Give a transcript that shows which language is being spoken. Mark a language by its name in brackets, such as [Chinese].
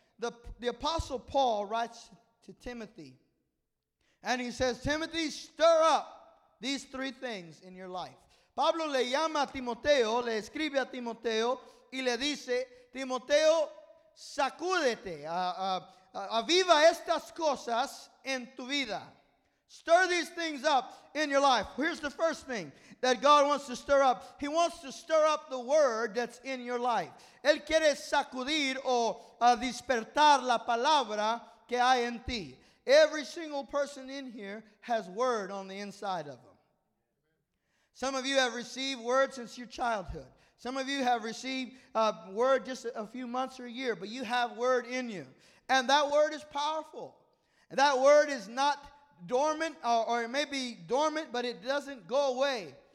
[English] The Apostle Paul writes to Timothy, and he says, Timothy, stir up these three things in your life. [Spanish] Pablo le llama a Timoteo, le escribe a Timoteo, y le dice, Timoteo, sacúdete, aviva estas cosas en tu vida. [English] Stir these things up in your life. Here's the first thing that God wants to stir up. He wants to stir up the word that's in your life. [Spanish] Él quiere sacudir o despertar la palabra que hay en ti. [English] Every single person in here has word on the inside of them. Some of you have received word since your childhood. Some of you have received word just a few months or a year, but you have word in you. And that word is powerful. That word is not dormant, or it may be dormant, but it doesn't go away.